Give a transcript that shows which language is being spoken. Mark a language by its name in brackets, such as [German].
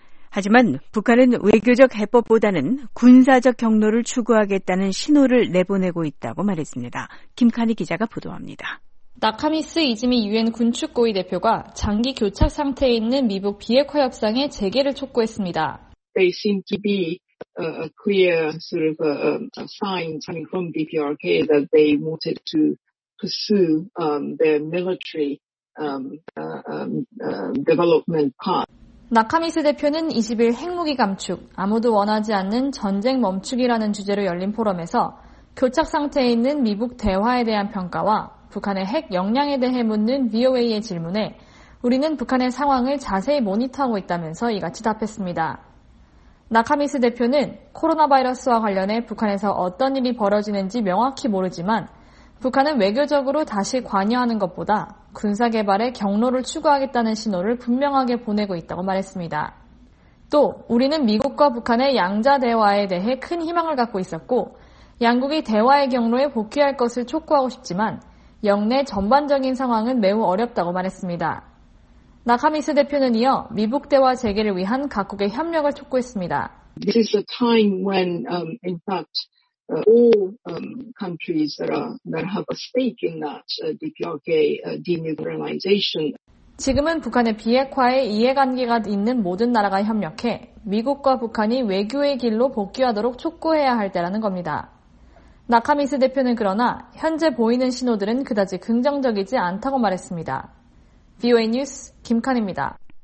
[Korean] 하지만 북한은 외교적 해법보다는 군사적 경로를 추구하겠다는 신호를 내보내고 있다고 말했습니다. 김카니 기자가 보도합니다. 나카미스 이즈미 유엔 군축고위 대표가 장기 교착 상태에 있는 미북 비핵화 협상의 재개를 촉구했습니다. [English] They seem to be a clear sort of a sign coming from the DRK that they wanted to pursue their military development path. [Korean] 나카미스 대표는 20일 핵무기 감축, 아무도 원하지 않는 전쟁 멈추기라는 주제로 열린 포럼에서 교착 상태에 있는 미북 대화에 대한 평가와 북한의 핵 역량에 대해 묻는 VOA의 질문에 우리는 북한의 상황을 자세히 모니터하고 있다면서 이같이 답했습니다. 나카미스 대표는 코로나 바이러스와 관련해 북한에서 어떤 일이 벌어지는지 명확히 모르지만 북한은 외교적으로 다시 관여하는 것보다 군사 개발의 경로를 추구하겠다는 신호를 분명하게 보내고 있다고 말했습니다. 또 우리는 미국과 북한의 양자 대화에 대해 큰 희망을 갖고 있었고 양국이 대화의 경로에 복귀할 것을 촉구하고 싶지만 역내 전반적인 상황은 매우 어렵다고 말했습니다. 나카미스 대표는 이어 미북 대화 재개를 위한 각국의 협력을 촉구했습니다. [English] This is a time when in fact All countries that have a stake in that DPRK denuclearization. [Korean] 지금은 북한의 비핵화에 이해관계가 있는 모든 나라가 협력해 미국과 북한이 외교의 길로 복귀하도록 촉구해야 할 때라는 겁니다. 나카미스 대표는 그러나 현재 보이는 신호들은 그다지 긍정적이지 않다고 말했습니다. VOA 뉴스 김칸입니다.